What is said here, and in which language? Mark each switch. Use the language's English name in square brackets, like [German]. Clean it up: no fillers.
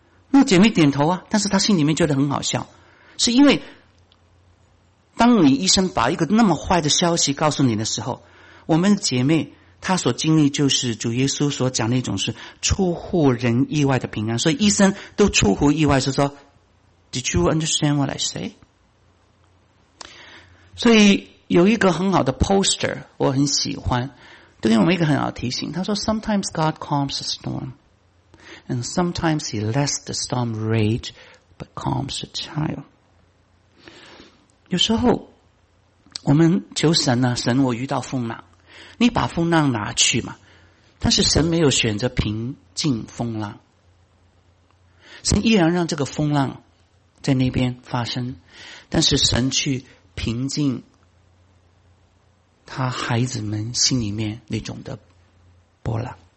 [Chinese] 那姐妹点头啊，但是他心里面觉得很好笑，是因为当你医生把一个那么坏的消息告诉你的时候，我们姐妹她所经历就是主耶稣所讲的一种是出乎人意外的平安，所以医生都出乎意外，是说 [English] Did you understand what I say？ [Chinese] 所以有一个很好的 poster 我很喜欢，对于我们一个很好的提醒，他说 [English] Sometimes God calms the storm and sometimes he lets the storm rage but calms the child。 [Chinese] 有时候我们求神呢，神我遇到风浪，你把风浪拿去嘛，但是神没有选择平静风浪，神依然让这个风浪在那边发生，但是神去平静他孩子们心里面那种的波澜。